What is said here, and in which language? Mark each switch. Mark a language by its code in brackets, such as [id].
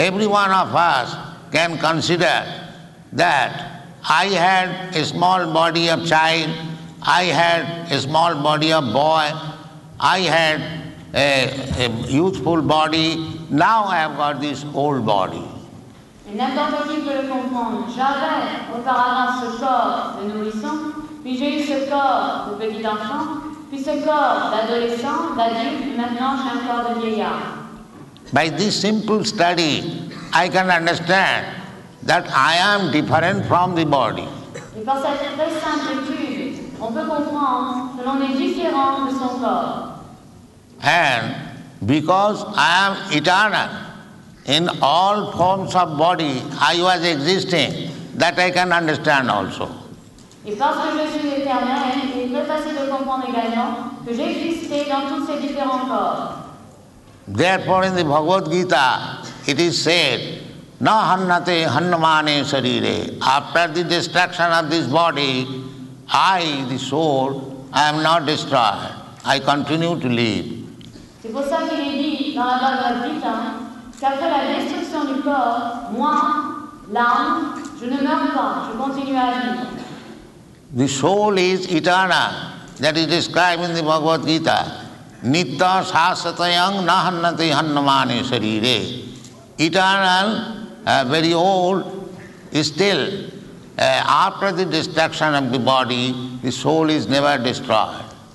[en] Every one of us can consider that I had a small body of child, I had a small body of boy, I had a youthful body, now I have got this old body. [fr] Et n'importe qui peut le comprendre. J'avais auparavant ce corps de nourrisson, puis j'ai eu ce corps de petit enfant, puis ce corps d'adolescent, d'adulte, maintenant j'ai un corps de vieillard. [en] By this simple study, I can understand that I am different from the body. [fr] Et par cette très simple étude, on peut comprendre que l'on est différent de son corps. [en] And because I am eternal, in all forms of body, I was existing, that I can understand also. [fr] Et parce que je suis éternel, il est très facile de comprendre également que j'existais dans tous ces différents corps. [en] Therefore, in the Bhagavad Gita, it is said, [sa] na hannate hannamane sarire. [en] After the destruction of this body, I, the soul, I am not destroyed. I continue to live. [fr] C'est pour ça qu'il est dit dans la Bhagavad Gita qu'après la destruction du corps, moi, l'âme, je ne meurs pas, je continue à vivre. [en] The soul is eternal, that is described in the Bhagavad Gita. [sa] Nitya sasatayam nahannati hannamani sarire. [en] Eternal, very old, is still, after the destruction of the body, the soul is never destroyed.